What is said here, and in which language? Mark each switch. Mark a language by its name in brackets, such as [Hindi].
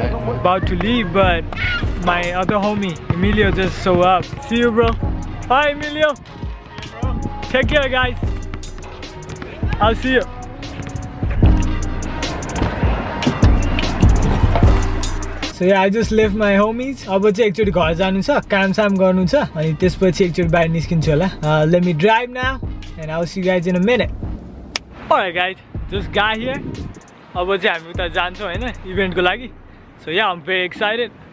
[English] About to leave but my other homie, Emilio just show up. See you bro. Hi Emilio. Take care guys. I'll see you. So yeah, I just left my homies. [Nepali] अब चाहिँ एकचोटि घर जानु छ काम साम गर्नु छ अनि त्यसपछि एकचोटि बाहिर निस्किन्छु होला [English] let me drive now and I'll see you guys in a minute. Alright guys, just got here. [Nepali] अब चाहिँ हामी उता जान्छौँ होइन इभेन्टको लागि so yeah [English] I'm very excited.